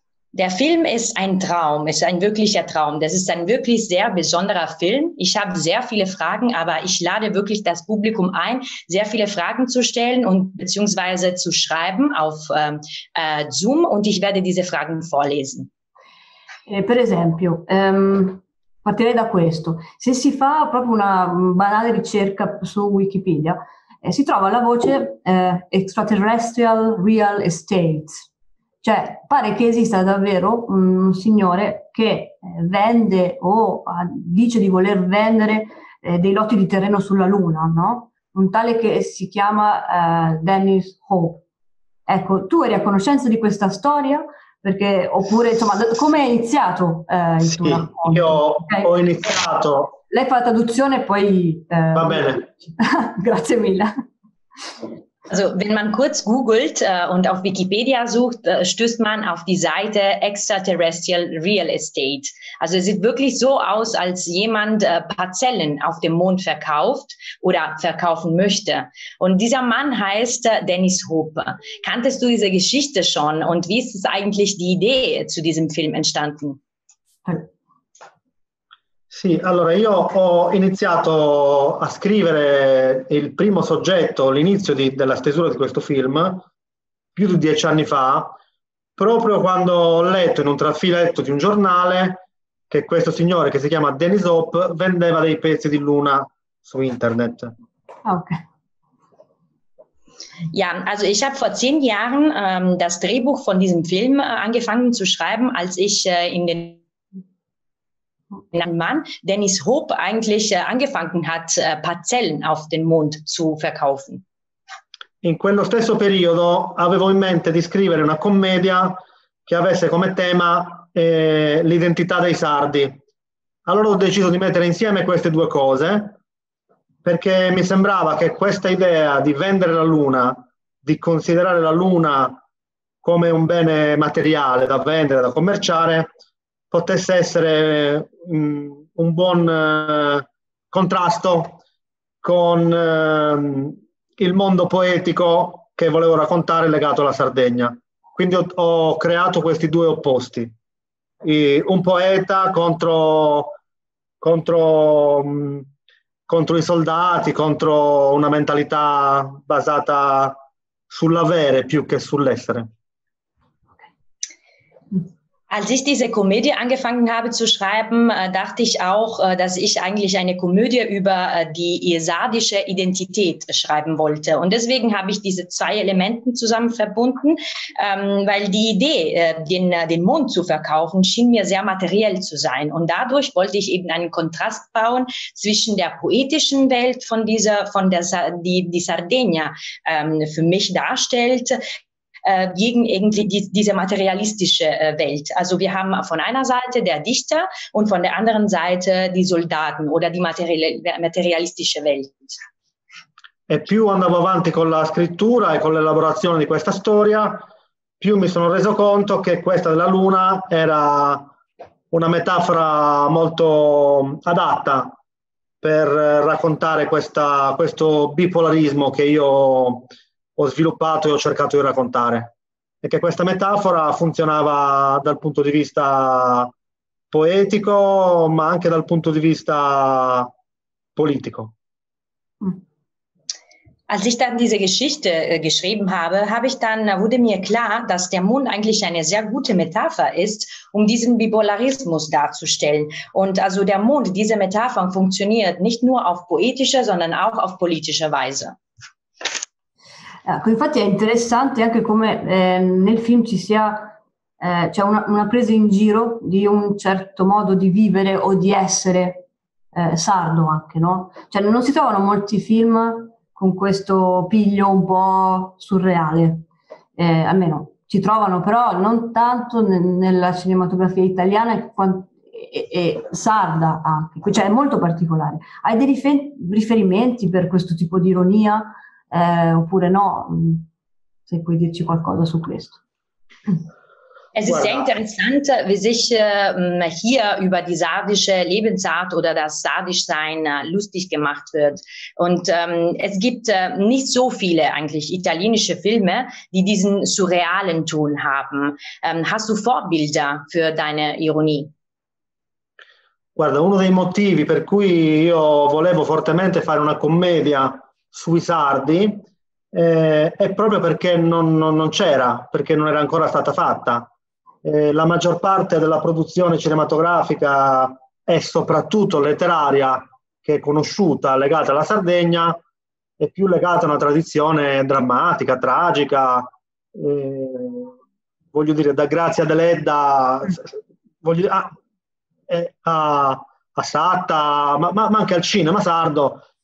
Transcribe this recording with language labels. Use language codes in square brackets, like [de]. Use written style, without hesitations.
[de] Der Film ist ein Traum, ist ein wirklicher Traum. Das ist ein wirklich sehr besonderer Film. Ich habe sehr viele Fragen, aber ich lade wirklich das Publikum ein, sehr viele Fragen zu stellen und beziehungsweise zu schreiben auf Zoom und ich werde diese Fragen vorlesen. [it] Per esempio, partirei da questo. Se si fa proprio una banale ricerca su Wikipedia, si trova la voce Extraterrestrial Real Estate. Cioè, pare che esista davvero un signore che vende o dice di voler vendere dei lotti di terreno sulla Luna, no? Un tale che si chiama Dennis Hope. Ecco, tu eri a conoscenza di questa storia? Perché, oppure, insomma, come è iniziato il tuo racconto? Io ho iniziato. Lei fa la traduzione e poi... Va bene. Grazie mille. [de] Also wenn man kurz googelt und auf Wikipedia sucht, stößt man auf die Seite Extraterrestrial Real Estate. Also es sieht wirklich so aus, als jemand Parzellen auf dem Mond verkauft oder verkaufen möchte. Und dieser Mann heißt Dennis Hope. Kanntest du diese Geschichte schon und wie ist es eigentlich die Idee zu diesem Film entstanden? [it] Sì, allora io ho iniziato a scrivere il primo soggetto, l'inizio della stesura di questo film, più di 10 anni fa, proprio quando ho letto in un trafiletto di un giornale che questo signore, che si chiama Dennis Hope, vendeva dei pezzi di luna su internet. Ok. [de] Ja, also ich habe vor 10 Jahren das Drehbuch von diesem Film angefangen zu schreiben, als ich in den Mann, Dennis Hope, eigentlich angefangen hat, Parzellen auf den Mond zu verkaufen. [it] In quello stesso periodo avevo in mente di scrivere una commedia che avesse come tema l'identità dei sardi. Allora ho deciso di mettere insieme queste due cose perché mi sembrava che questa idea di vendere la luna, di considerare la luna come un bene materiale da vendere, da commerciare, potesse essere un buon contrasto con il mondo poetico che volevo raccontare legato alla Sardegna. Quindi ho creato questi due opposti, un poeta contro i soldati, contro una mentalità basata sull'avere più che sull'essere. [de] Als ich diese Komödie angefangen habe zu schreiben, dachte ich auch, dass ich eigentlich eine Komödie über die sardische Identität schreiben wollte. Und deswegen habe ich diese zwei Elemente zusammen verbunden, weil die Idee, den Mond zu verkaufen, schien mir sehr materiell zu sein. Und dadurch wollte ich eben einen Kontrast bauen zwischen der poetischen Welt die Sardegna für mich darstellt, gegen irgendwie diese materialistische Welt. Also wir haben von einer Seite der Dichter und von der anderen Seite die Soldaten oder die materialistische Welt. [it] E più andavo avanti con la scrittura e con l'elaborazione di questa storia, più mi sono reso conto che questa della luna era una metafora molto adatta per raccontare questo bipolarismo che io ho sviluppato e ho cercato di raccontare, e che questa metafora funzionava dal punto di vista poetico, ma anche dal punto di vista politico. [de] Als ich dann diese Geschichte geschrieben habe, wurde mir klar, dass der Mond eigentlich eine sehr gute Metapher ist, um diesen Bipolarismus darzustellen. Und also der Mond, diese Metapher funktioniert nicht nur auf poetischer, sondern auch auf politischer Weise. [it] Ecco, infatti è interessante anche come nel film ci sia cioè una presa in giro di un certo modo di vivere o di essere sardo anche, no? Cioè non si trovano molti film con questo piglio un po' surreale, almeno si trovano però non tanto nella cinematografia italiana e sarda anche, cioè è molto particolare. Hai dei riferimenti per questo tipo di ironia? Oppure no, se puoi dirci qualcosa su questo. [de] Es ist sehr interessant, wie sich hier über die sardische Lebensart oder das Sardischsein lustig gemacht wird. Und es gibt nicht so viele eigentlich italienische Filme, die diesen surrealen Ton haben. Hast du Vorbilder für deine Ironie? [it] Guarda, uno dei motivi per cui io volevo fortemente fare una commedia sui sardi è proprio perché non c'era, perché non era ancora stata fatta. La maggior parte della produzione cinematografica e soprattutto letteraria che è conosciuta, legata alla Sardegna, è più legata a una tradizione drammatica, tragica, voglio dire, da Grazia Deledda, a Satta, ma anche al cinema sardo.